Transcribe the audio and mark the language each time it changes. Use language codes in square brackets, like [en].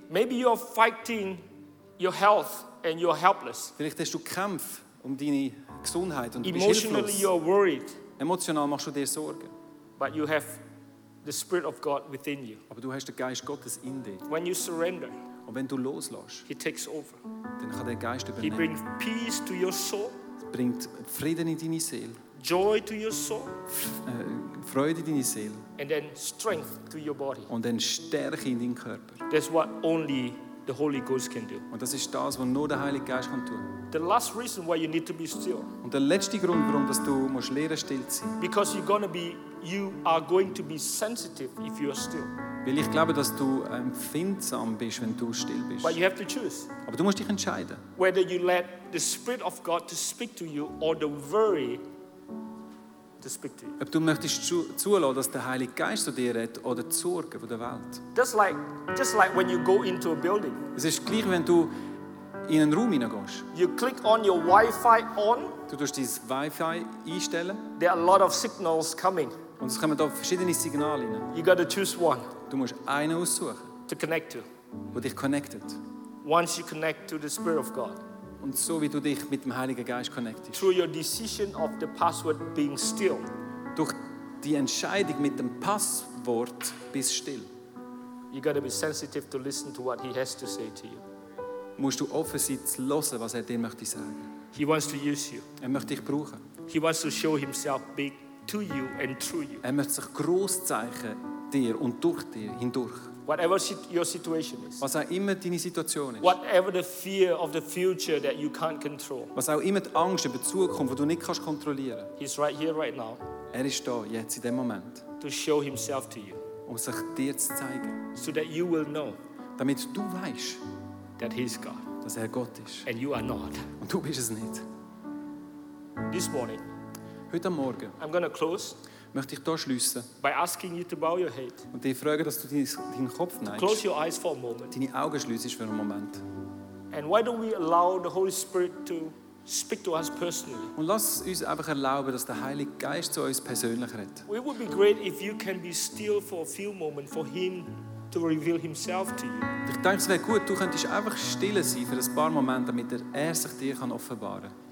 [en] Maybe you are fighting your health and you are helpless. [de] Vielleicht hast du Kampf um deine Gesundheit und [en] emotionally [de] bist hilflos. [en] You are worried. [de] Emotional machst du dir Sorgen. [en] But you have the Spirit of God within you. [de] Aber du hast den Geist Gottes in dir. [en] When you surrender. [de] Und wenn du loslässt, [en] he takes over. [de] Dann kann der Geist übernehmen. [en] He brings peace to your soul. [de] Bringt Frieden in deine Seele. [en] Joy to your soul. [de] Freude in deine Seele. [en] And then strength to your body. [de] Und dann Stärke in deinen Körper. [en] That's what only the Holy Ghost can do. [de] Und das ist das, was nur der Heilige Geist kann tun. [en] The last reason why you need to be still. [de] Und der letzte Grund, warum dass du musst lernen, still zu sein. [en] Because you are going to be sensitive if you are still. [de] Weil ich glaube, dass du empfindsam bist, wenn du still bist. [en] But you have to choose. [de] Aber du musst dich entscheiden. [en] Whether you let the Spirit of God to speak to you or the worry to speak to you. [de] Ob du möchtest zulassen, dass der Heilige Geist zu dir redet oder die Sorgen von der Welt. [en] Just like when you go into a building. [de] Es ist gleich, wenn du in einen Raum hineingehst. [en] You click on your Wi-Fi on. [de] Du tust dein Wi-Fi einstellen. [en] There are a lot of signals coming. [de] Und es kommen da verschiedene Signale hinein. [en] You got to choose one. [de] Du musst einen aussuchen. [en] To connect to. [de] Wo dich connectet. [en] Once you connect to the Spirit of God. [de] Und so wie du dich mit dem Heiligen Geist connectest. [en] Through your decision of the password being still. [de] Durch die Entscheidung mit dem Passwort bist still. [en] You got to be sensitive to listen to what he has to say to you. [de] Musst du offen sein zu hören, was er dir möchte sagen. [en] He wants to use you. [de] Er möchte dich brauchen. [en] He wants to show himself big. To you and through you. [de] Er möchte sich gross zeichnen, dir und durch dir hindurch. [en] Whatever your situation is. [de] Was auch immer deine Situation ist. [en] Whatever the fear of the future that you can't control. [de] Was auch immer die Angst über die Zukunft, die du nicht kannst kontrollieren. [en] He's right here, right now. [de] Er ist da, jetzt, in dem Moment. [en] To show himself to you. [de] Um sich dir zu zeigen. [en] So that you will know. [de] Damit du weißt, [en] that he's God. [de] Dass er Gott ist. [en] And you are not. [de] Und du bist es nicht. [en] This morning. [de] Heute Morgen [en] I'm gonna close [de] möchte ich hier schliessen [en] by asking you to bow your head, [de] und dich fragen, dass du deinen Kopf neigst, [en] close your eyes for a moment, [de] deine Augen schliessen für einen Moment. [en] And why don't we allow the Holy Spirit to speak to us personally? [de] Und lass uns einfach erlauben, dass der Heilige Geist zu uns persönlich redet. [en] It would be great if you can be still for a few moments for him to reveal himself to you. [de] Ich denke, es wäre gut, du könntest einfach still sein für ein paar Momente, damit er sich dir kann offenbaren kann.